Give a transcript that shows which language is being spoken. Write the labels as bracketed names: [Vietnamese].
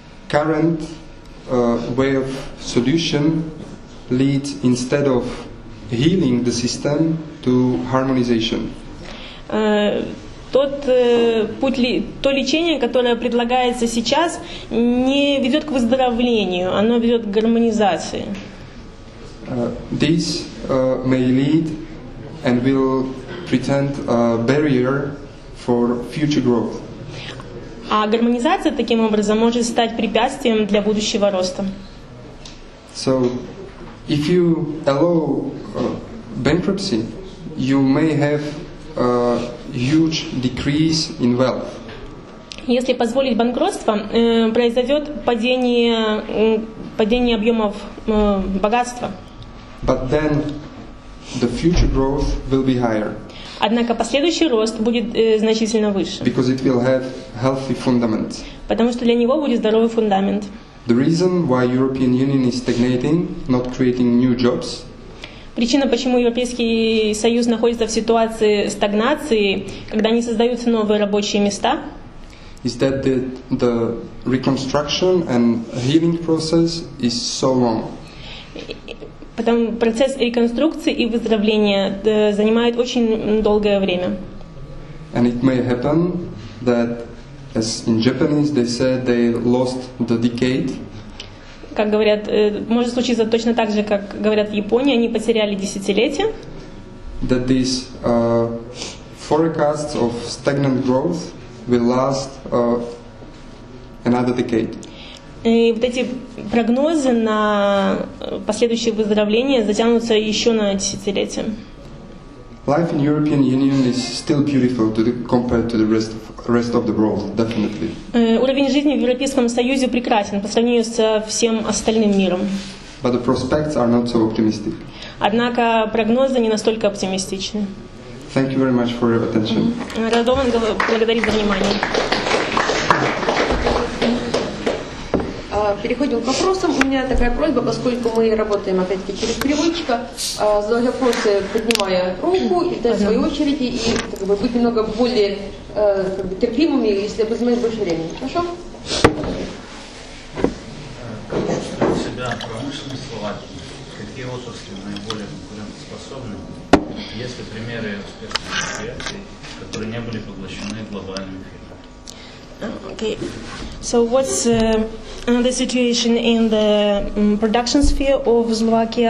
[English] Current way of solution leads instead of healing the system to harmonization. [Russian] То лечение, которое предлагается сейчас, не ведет к выздоровлению, оно ведет к гармонизации. [English] This may lead and will present a barrier for future growth. [Russian] А гармонизация таким образом может стать препятствием для будущего роста. [English] So, if you allow bankruptcy, you may have a huge decrease in wealth. [Russian] Если позволить банкротство, произойдет падение объемов богатства. [English] But then the future growth will be higher. [Russian] Однако последующий рост будет значительно выше. [English] Because it will have healthy fundament. [Russian] Потому что для него будет здоровый фундамент. [English] The reason why European Union is stagnating, not creating new jobs. [Russian] Причина, почему Европейский Союз находится в ситуации стагнации, когда не создаются новые рабочие места, [English] is that the reconstruction and healing process is so long. [Russian] Потом процесс реконструкции и выздоровления занимает очень долгое время. [English] And it may happen that, as in Japanese, they said they lost the decade. [Russian] как говорят, может случиться точно так же, как говорят в Японии, они потеряли десятилетия. [English] That these forecasts of stagnant growth will last another decade. [Russian] И вот эти прогнозы на последующее выздоровление затянутся еще на десятилетия. [English] Life in European Union is still beautiful to the, compared to the rest of the world, definitely. [Russian] Уровень жизни в Европейском Союзе прекрасен по сравнению со всем остальным миром. [English] But the prospects are not so optimistic. [Russian] Однако прогнозы не настолько оптимистичны. [English] Thank you very much for your attention. [Russian] Радован благодарит за внимание. Переходим к вопросам. У меня такая просьба, поскольку мы работаем опять-таки через переводчика, задавать вопросы, поднимая руку и в своей очереди, и как бы, быть немного более как бы, терпимыми, если я возьму больше времени. Хорошо? Как чувствуете себя в промышленной Словакии? Какие отрасли наиболее конкурентоспособны? Есть ли примеры успешных предприятий, которые не были поглощены глобальными фирмами? [English] Okay, so what's the situation in the production sphere of Slovakia?